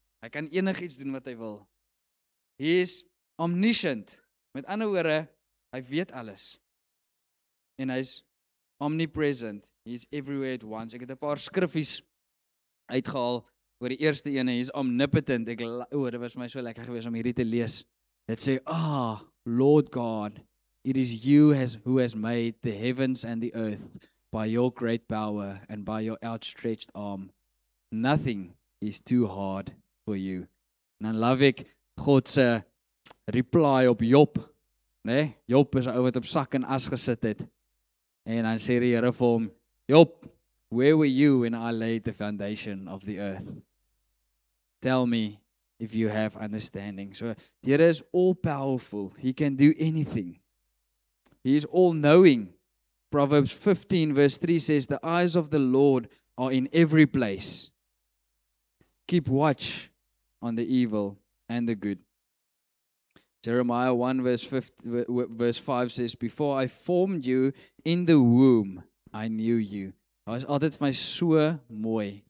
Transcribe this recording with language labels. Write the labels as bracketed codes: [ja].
[af] Hy kan enigiets doen wat hy wil. Hy is omniscient. Met ander woorde, hy weet alles. En hy is omnipresent. [en] He is everywhere at once. [af] Ek het 'n paar skriffies uitgehaal oor die eerste ene. [en] He is omnipotent. [af] Dit was vir my so lekker gewees om hierdie te lees. Dit sê, [en] Lord God, it is you who has made the heavens and the earth by your great power and by your outstretched arm. Nothing is too hard for you. [af] En dan love ek God se reply op Job. Nee? Job is 'n ou wat op sak en as gesit het. En dan sê die Here vir hom, [en] Job, where were you when I laid the foundation of the earth? Tell me if you have understanding. [af] So, die Here is [en] all-powerful. He can do anything. He is all-knowing. Proverbs 15 verse 3 says, the eyes of the Lord are in every place. Keep watch on the evil and the good. Jeremiah 1 verse 5 says, before I formed you in the womb, I knew you. [af] Dit is altyd vir my so mooi.